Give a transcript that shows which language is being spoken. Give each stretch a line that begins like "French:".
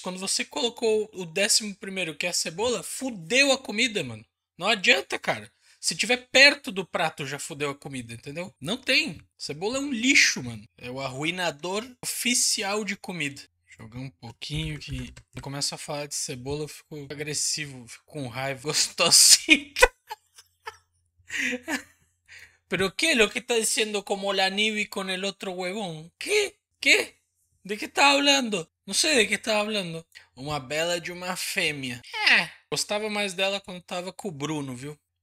Portuguese: Quando você colocou o 11º, que é a cebola, fudeu a comida, mano. Não adianta, cara. Se tiver perto do prato, já fudeu a comida, entendeu? Não tem. Cebola é um lixo, mano. É o arruinador oficial de comida. Jogar um pouquinho que. Eu começo a falar de cebola, eu fico agressivo, fico com raiva. Gostosinho.
Spanish: Pero qué lo que está diciendo como la Nivi con el otro huevón? ¿Qué? ¿Qué? ¿De qué está hablando? No sé de qué está hablando.
Portuguese: Uma bela de uma fêmea. É. Gostava mais dela quando tava com o Bruno, viu?